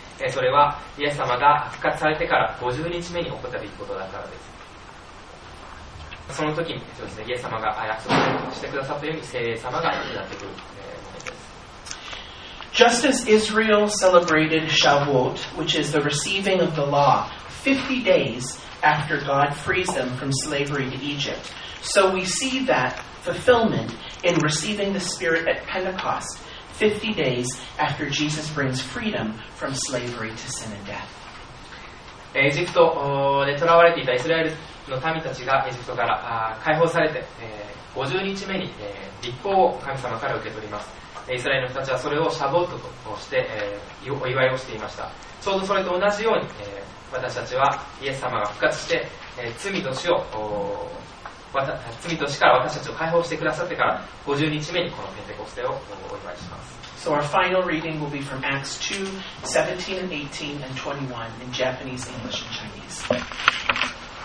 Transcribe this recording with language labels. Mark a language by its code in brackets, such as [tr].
[ja] それはイエス様が復活されてから50日目に起こった出来事だからです。その時にですね、イエス様が約束してくださったように聖霊様がやってくるものです。 [en] Just as Israel celebrated Shavuot, which is the receiving of the law, 50 days after God frees them from slavery to Egypt, so we see that fulfillment in receiving the Spirit at Pentecost, 50 days after Jesus brings freedom from slavery to sin and death. [ja] エジプトで囚われていたイスラエルの民たちがエジプトから解放されて、50日目に、立法を神様から受け取ります。イスラエルの人たちはそれをシャボットとして、お祝いをしていました。ちょうどそれと同じように、私たちはイエス様が復活して、罪と死を罪と死から私たちを解放してくださってから50日目にこのペンテコステをお祝いします。 [en] So our final reading will be from Acts 2:17-18 and 21 in Japanese, English and Chinese.